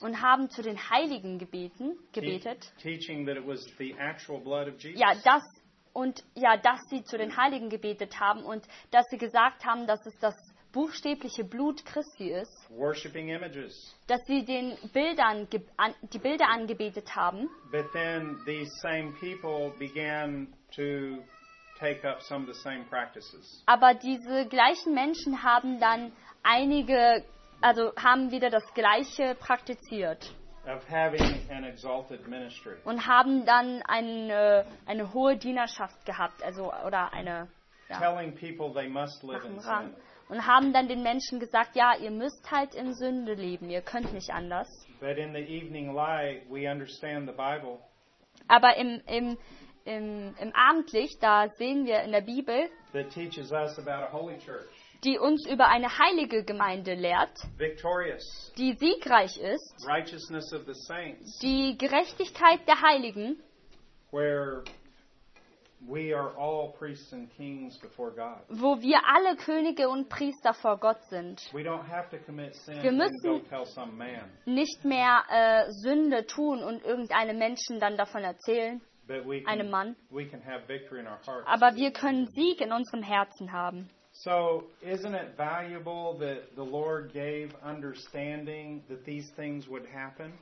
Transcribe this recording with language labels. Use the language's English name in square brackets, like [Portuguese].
[German] Und haben zu den Heiligen gebetet. [English] Teaching that it was the actual blood of Jesus. [German] Ja, das und ja, dass sie zu den Heiligen gebetet haben und dass sie gesagt haben, dass es das buchstäbliche Blut Christi ist, [English] worshiping images, [German] dass sie den Bildern die Bilder angebetet haben. [English] But then these same people began to take up some of the same practices. [German] Aber diese gleichen Menschen haben dann einige, also haben wieder das Gleiche praktiziert. [English] Of having an exalted ministry. [German] Und haben dann eine hohe Dienerschaft gehabt, also oder eine, ja, [English] telling people they must live in sin. [German] Und haben dann den Menschen gesagt, ja, ihr müsst halt in Sünde leben, ihr könnt nicht anders. [English] But in the evening light, we understand the Bible. [German] Aber im Abendlicht, da sehen wir in der Bibel, [English] that teaches us about a holy church, [German] die uns über eine heilige Gemeinde lehrt, [English] victorious, [German] die siegreich ist, [English] righteousness of the saints, [German] die Gerechtigkeit der Heiligen, [English] where we are all priests and kings before God. [German] Wo wir alle Könige und Priester vor Gott sind. [English] We don't have to commit sin, [German] wir müssen nicht mehr Sünde tun und irgendeinem Menschen dann davon erzählen, einem Mann. [English] We can have victory in our hearts. [German] Aber wir können Sieg in unserem Herzen haben. [English] So isn't it valuable that the Lord gave understanding that these things would happen?